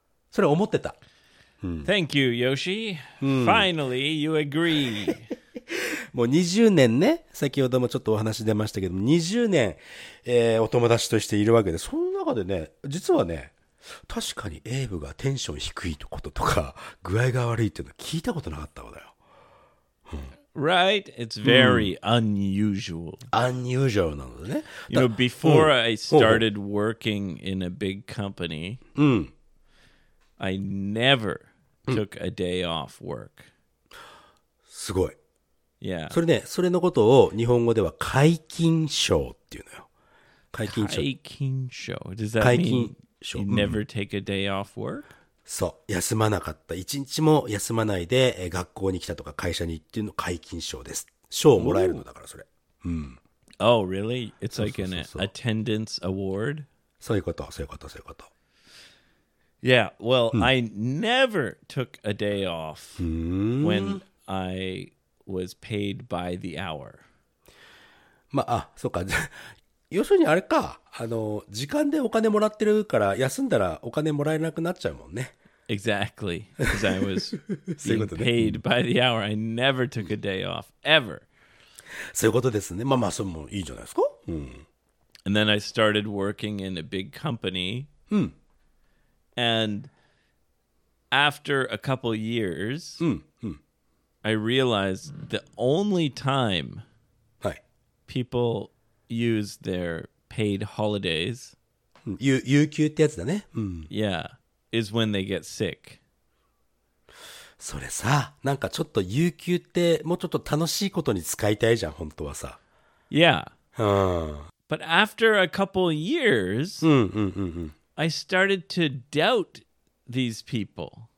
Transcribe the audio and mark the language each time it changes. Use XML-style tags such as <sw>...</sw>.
<ja>それ思ってた。</ja> <en>うん、Thank you, Yoshi.、うん、Finally, you agree.</en> <ja>もう20年ね、先ほどもちょっとお話出ましたけども、20年、お友達としているわけで、その中でね、実はね、確かにエイブがテンション低いこととか、具合が悪いっていうの聞いたことなかったわだよ。う</ja> <en>ん。Right? It's very、うん、unusual.</en> <ja>Unusual なのね。</ja> <en>You know, before、うん、I started working in a big company,、うん、 I never took a day off work.</en> <ja>すごい。</ja> <en>Yeah.</en> <ja>それね、それのことを日本語では解禁症っていうのよ。解禁症。解禁症。</ja> <en>Does that 解禁症 mean you never take a day off work?</en> <ja>そう休まなかった一日も休まないで学校に来たとか会社に行っていうの解禁証です賞をもらえるのだからそれ、</ja> <en>oh. うん Oh really? It's like an attendance award?</en> <ja>そういうことそういうことそういうこと</ja> <en>Yeah, well, I never took a day off when I was paid by the hour.</en> <ja>まあ、あ、そうか。要するにあれか、あの、時間でお金もらってるから休んだらお金もらえなくなっちゃうもんね。</ja> <en>Exactly, because I was being paid by the hour. I never took a day off, ever.</en> <ja>そういうことですね。まあまあ、それもいいじゃないですか。</ja> <en>And then I started working in a big company. And after a couple years, I realized the only time people use their paid holidays,</en> <ja>you ってやつだね。</ja> <en>Yeah, is when they get sick.</en> <ja>それさ、なんかちょっと有給ってもうちょっと楽しいことに使いたいじゃん、本当はさ。</ja> <en>Yeah. But after a couple years, I started to doubt these people.</en>